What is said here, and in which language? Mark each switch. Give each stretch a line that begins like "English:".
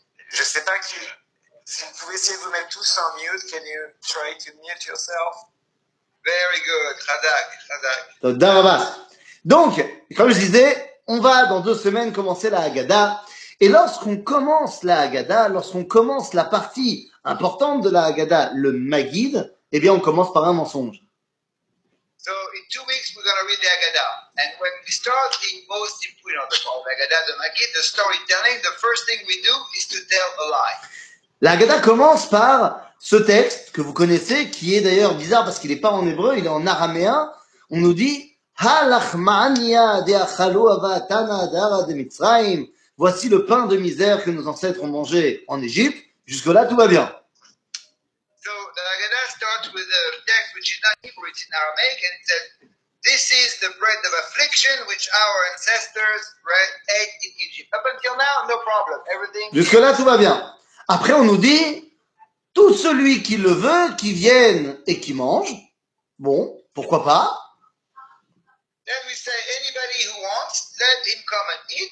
French: Je sais pas si vous pouvez essayer de vous mettre tous en mute.
English: Can you try to mute yourself? Very good, Radak.
French: Donc, comme je disais, on va dans 2 semaines commencer la Haggadah. Et lorsqu'on commence la Haggadah, lorsqu'on commence la partie importante de la Haggadah, le Maggid, eh bien, on commence par un mensonge.
English: So, in 2 weeks, we're going to read the Haggadah. And when we start the most important part of the Haggadah, the Maggid, the storytelling, the first thing we do is to tell a lie.
French: La Haggadah commence par ce texte que vous connaissez, qui est d'ailleurs bizarre parce qu'il n'est pas en hébreu, il est en araméen. On nous dit
Aramaic: Halachmania de Achalo Avatana Dara de Mitzrayim.
French: Voici le pain de misère que nos ancêtres ont mangé en Égypte. Jusque-là, tout va bien.
English: So, the Haggadah starts with a text which is not Hebrew, it's in Aramaic, and it says, "This is the bread of affliction which our ancestors ate in Egypt." Up until now, no problem. Everything
French: Jusque-là, tout va bien. Après, on nous dit, tout celui qui le veut, qui vienne et qui mange, bon, pourquoi pas?
English: Then we say, "Anybody who wants, let him come and eat.